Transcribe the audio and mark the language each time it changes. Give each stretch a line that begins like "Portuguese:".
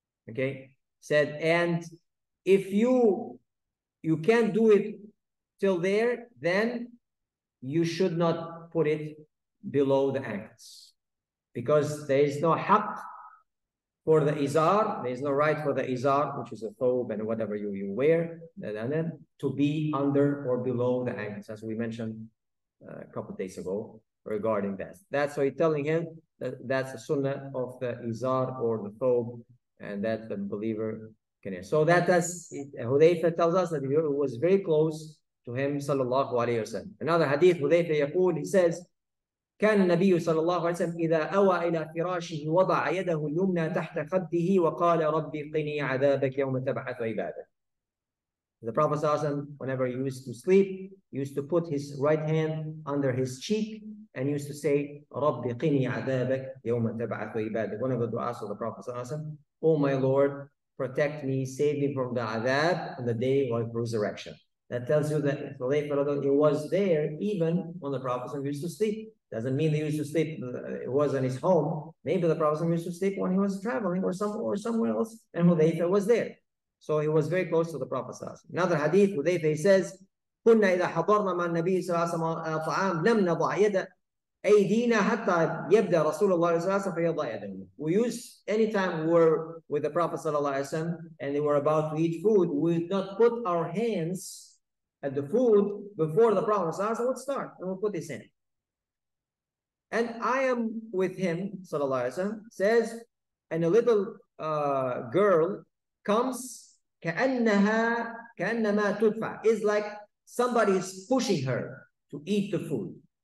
English: Okay, said, and if you can't do it till there, then you should not put it below the ankles, because there is no haq for the izar, there is no right for the izar, which is a thobe and whatever you wear, then to be under or below the ankles, as we mentioned a couple of days ago regarding that. That's why he's telling him that that's the sunnah of the izar or the thobe. And that the believer can hear. So that does Hudhayfah tells us that he was very close to him, sallallahu alayhi wa sallam. Another hadith, Hudhayfah
Arabic: يقول,
English: he says,
Arabic: كان النبي صلى الله عليه وسلم إذا أوى إلى فراشه وضع يده اليمنى تحت خده وقال ربي قني عذابك يوم تبعث عبادك.
English: The Prophet صلى الله عليه وسلم, whenever he used to sleep, used to put his right hand under his cheek and used to say,
Arabic: ربي قني عذابك يوم تبعث عبادك.
English: One of the du'as of the Prophet صلى الله عليه وسلم, oh my Lord, protect me, save me from the adab on the day of resurrection. That tells you that it was there even when the Prophet used to sleep. Doesn't mean he used to sleep, it was in his home. Maybe the Prophet used to sleep when he was traveling or somewhere else, and Hudhayfah was there. So he was very close to the Prophet. Another hadith, Hudhayfah says,
Arabic: كُنَّ إِذَا حَضَرْنَا مَا النَّبِيِّ صَلَى اللَّهُ عَلَى طَعَامٍ لَمْ نَضَعْ يَدَ أَيْدِينَا حَتَّى يَبْدَى رَسُولَ اللَّهِ صَلَى اللَّهُ عَلَى طَعَامٍ.
English: We use anytime we were with the Prophet and they were about to eat food, we would not put our hands at the food before the Prophet would start and we'll put his hand. And I am with him, says, and a little girl comes,
Arabic: كَأَنَّمَا تُدْفَعَ,
English: is like somebody is pushing her to eat the food.